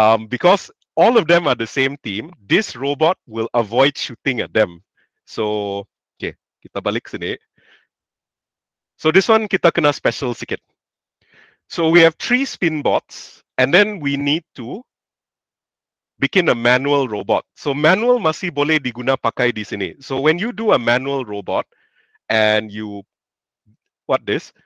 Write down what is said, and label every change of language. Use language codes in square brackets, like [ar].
[en] Because all of them are the same team, this robot will avoid shooting at them. [ms] So, okay, kita balik sini. [en] So this one [ms] kita kena special sikit. [en] So we have three spin bots, and then we need to bikin a manual robot. [ms] So manual masih boleh diguna pakai di sini. [en] So when you do a manual robot, and you, what this?